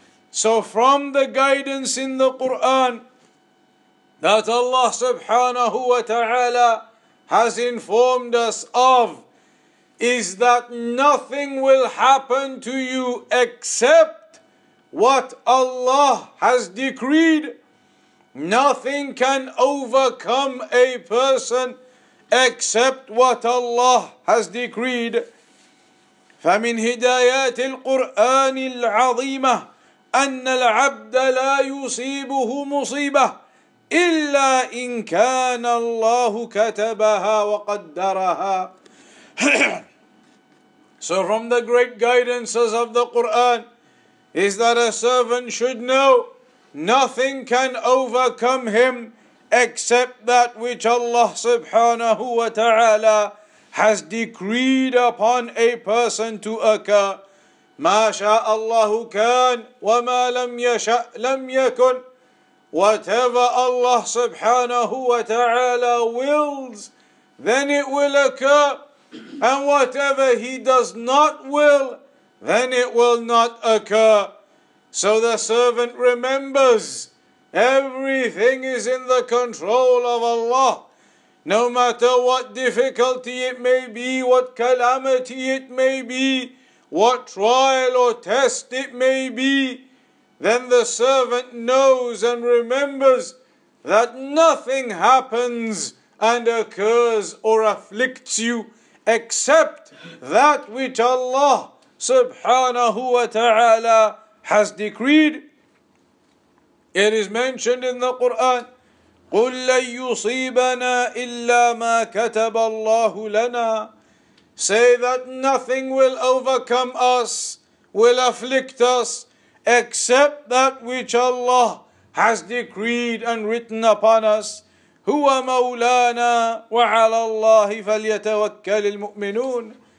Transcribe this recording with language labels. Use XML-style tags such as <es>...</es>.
<en>So from the guidance in the Quran that Allah subhanahu wa ta'ala has informed us of is that nothing will happen to you except what Allah has decreed. Nothing can overcome a person except what Allah has decreed.</en> <ar>فَمِنْ هِدَايَاتِ الْقُرْآنِ الْعَظِيمَةِ أن العبد لا يصيبه مصيبة إلا إن كان الله كتبها وقدرها.</ar> <en>So from the great guidances of the Quran is that a servant should know nothing can overcome him except that which Allah subhanahu wa ta'ala has decreed upon a person to occur.</en> <ar>ما شاء الله كان وما لم يشأ لم يكن.</ar> <en>Whatever Allah subhanahu wa ta'ala wills, then it will occur. And whatever He does not will, then it will not occur. So the servant remembers, everything is in the control of Allah. No matter what difficulty it may be, what calamity it may be, what trial or test it may be, then the servant knows and remembers that nothing happens and occurs or afflicts you except that which Allah subhanahu wa ta'ala has decreed. It is mentioned in the Quran,</en> <ar>قُلْ لَنْ يُصِيبَنَا إِلَّا مَا كَتَبَ اللَّهُ لَنَا.</ar> <en>Say that nothing will overcome us, will afflict us, except that which Allah has decreed and written upon us.</en> <ar>هُوَ مَوْلَانَا وَعَلَى اللَّهِ فَلْيَتَوَكَّلِ الْمُؤْمِنُونَ.</ar>